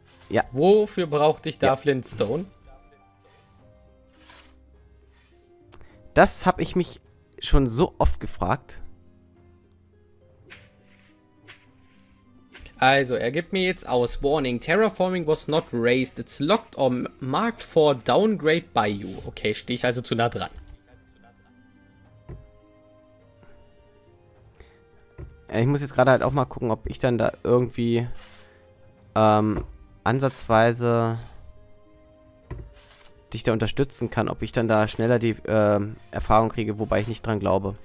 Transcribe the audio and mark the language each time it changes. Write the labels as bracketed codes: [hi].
[de] Ja. Wofür brauchte ich da Flintstone? Das habe ich mich schon so oft gefragt. Also, er gibt mir jetzt aus. [en] Warning, Terraforming was not raised. It's locked or marked for downgrade by you. [de] Okay, stehe ich also zu nah dran. Ich muss jetzt gerade halt auch mal gucken, ob ich dann da irgendwie ansatzweise dich da unterstützen kann, ob ich dann da schneller die Erfahrung kriege, wobei ich nicht dran glaube.